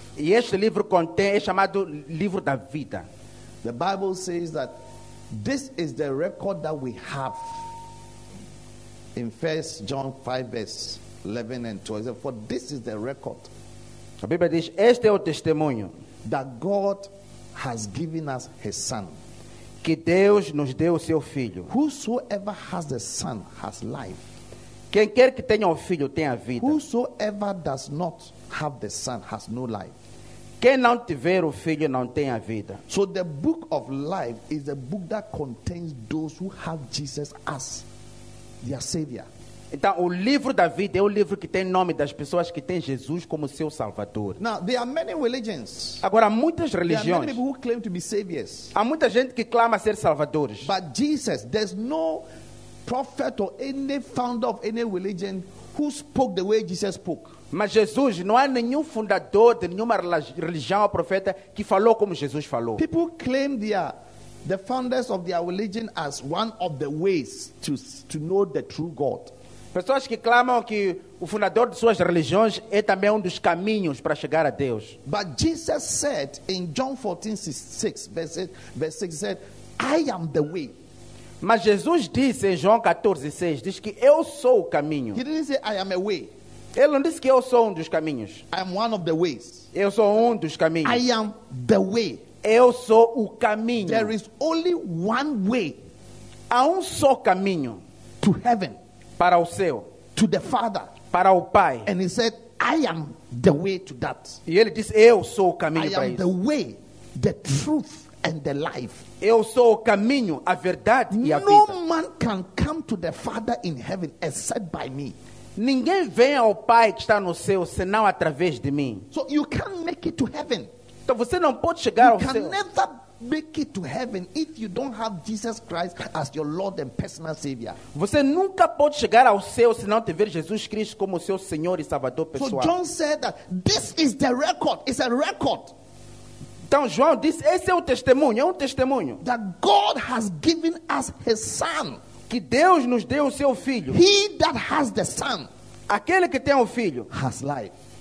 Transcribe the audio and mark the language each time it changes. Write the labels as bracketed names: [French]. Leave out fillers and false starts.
[Portuguese] E este livro contém, é chamado livro da vida. [English] The Bible says that this is the record that we have in 1 John 5 verse 11 and 12. For this is the record. [Portuguese] A Bíblia diz, este é o testemunho [English] that God has given us his son. [Portuguese] Que Deus nos deu o seu filho. [English] Whosoever has the son has life. [Portuguese] Quem quer que tenha o filho tem a vida. [English] Whosoever does not have the son has no life. [Portuguese] Quem não tiver o filho não tem a vida. [English] So the book of life is a book that contains those who have Jesus as their savior. [Portuguese] Então o livro da vida é o livro que tem nome das pessoas que têm Jesus como seu salvador. [English] Now there are many religions. [Portuguese] Agora há muitas religiões. [English] There are many people who claim to be saviors. [Portuguese] Há muita gente que clama ser salvadores. [English] But Jesus, there's no prophet or any founder of any religion who spoke the way Jesus spoke. [Portuguese] Mas Jesus, não há nenhum fundador de nenhuma religião ou profeta que falou como Jesus falou. [English] People claim the founders of their religion as one of the ways to know the true God. [Portuguese] Pessoas que clamam que o fundador de suas religiões é também dos caminhos para chegar a Deus. [English] But Jesus said in John 14:6, verse 6, he said, I am the way. [Portuguese] Mas Jesus disse em João 14:6, diz que eu sou o caminho. [English] He didn't say, I am a way. [Portuguese] Ele não disse que eu sou dos caminhos. [English] I am one of the ways. [Portuguese] Eu sou dos caminhos. [English] I am the way. [Portuguese] Eu sou o caminho. [English] There is only one way. [Portuguese] Há só caminho. [English] To heaven. [Portuguese] Para o céu. [English] To the Father. [Portuguese] Para o Pai. [English] And he said, I am the way to that. [Portuguese] E ele disse, eu sou o caminho para isso. [English] I am the way, the truth, and the life. [Portuguese] Eu sou o caminho, a verdade e a vida. [English] No man can come to the Father in heaven except by me. [Portuguese] Ninguém vem ao Pai que está no céu senão através de mim. [English] So you can't make it to heaven. [Portuguese] Então você não pode chegar [English] you [Portuguese] ao céu. [English] You can never make it to heaven if you don't have Jesus Christ as your Lord and personal Savior. [Portuguese] Você nunca pode chegar ao céu se não tiver Jesus Cristo como seu Senhor e Salvador pessoal. [English] So John said that this is the record. It's a record. [Portuguese] Então João disse, esse é um testemunho. [English] That God has given us his son. [Portuguese] Que Deus nos deu o seu filho. [English] He that has the son. [Portuguese] Aquele que tem o filho. [English] Has life.